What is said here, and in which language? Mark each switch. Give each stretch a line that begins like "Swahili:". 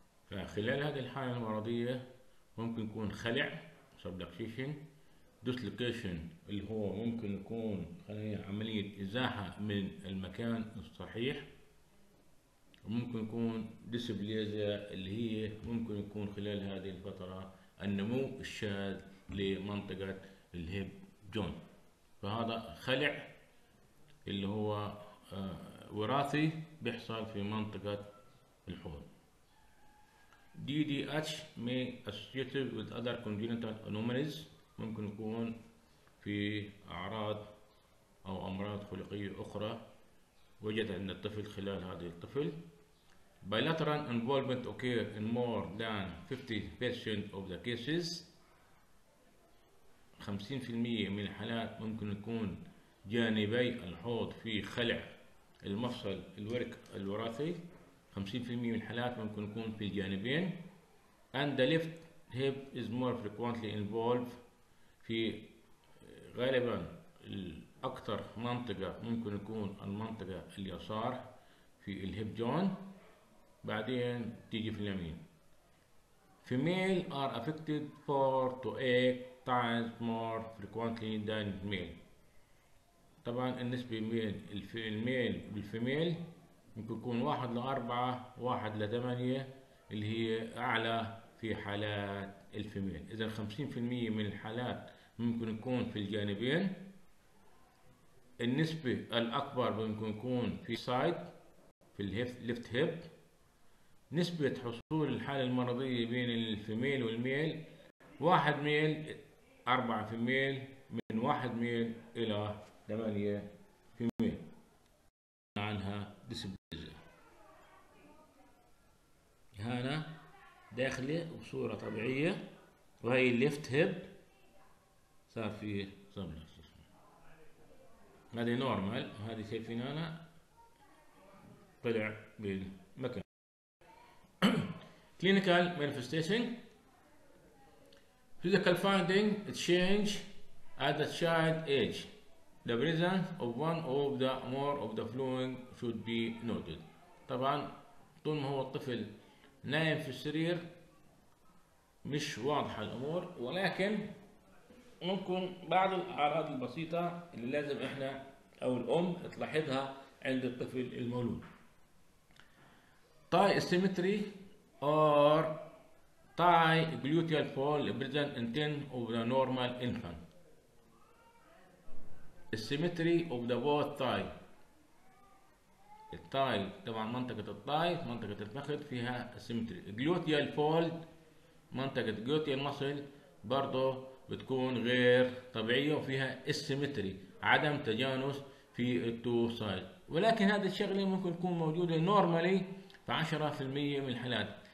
Arabic: فخلال هذه الحالة المرضية ممكن يكون خلع subluxation, dislocation اللي هو ممكن يكون عملية إزاحة من المكان الصحيح، ممكن يكون ديسبليزيا اللي هي ممكن يكون خلال هذه الفترة النمو الشاذ لمنطقة الهيب جون. فهذا خلع اللي هو وراثي بيحصل في منطقة الحوض.
English: DDH may associated with other congenital anomalies.
Arabic: ممكن يكون في أعراض أو أمراض خلقية أخرى وجد عند الطفل خلال هذه الطفل.
English: Bilateral involvement occur in more than 50% of the cases.
Arabic: 50% من الحالات ممكن يكون جانبي الحوض في خلع المفصل الورك الوراثي. 50% من الحالات ممكن يكون في الجانبين.
English: And the left hip is more frequently involved.
Arabic: في غالبا الأكثر منطقة ممكن يكون المنطقة اليسار في الهيب جون. بعدين تيجي في اليمين.
English: Female are affected 4 to 8 times more frequently than male.
Arabic: طبعا النسبة بين الميل والفيميل ممكن يكون 1:4 1:8 اللي هي أعلى في حالات الفيميل. إذا 50% من الحالات ممكن يكون في الجانبين. النسبة الأكبر ممكن يكون في سايد في الليفت هيب. نسبة حصول الحالة المرضية بين الفيميل والميل 1:4 من 1:8 عنها ديسبليزيا هنا داخلة بصورة طبيعية، وهي الليفت هيب صار فيه سبلاكسيشن. هذه نورمال، هذه شايفين هنا طلع بالمكان.
English: Clinical manifestation. Physical finding change at the child age. The presence of one of the more of the following should be noted.
Arabic: طبعا طول ما هو الطفل نايم في السرير مش واضحة الأمور، ولكن ممكن بعض الأعراض البسيطة اللي لازم احنا أو الأم تلاحظها عند الطفل المولود.
English: Thigh asymmetry or thigh gluteal fall present in 10 of the normal infant. Asymmetry of the both thigh.
Arabic: الثigh طبعا منطقة الثigh منطقة الفخذ فيها asymmetry. Gluteal fall منطقة gluteal muscle برضو بتكون غير طبيعية وفيها asymmetry عدم تجانس في
English: التو سايد.
Arabic: ولكن هذا الشغلة ممكن تكون موجودة normally في 10% من الحالات.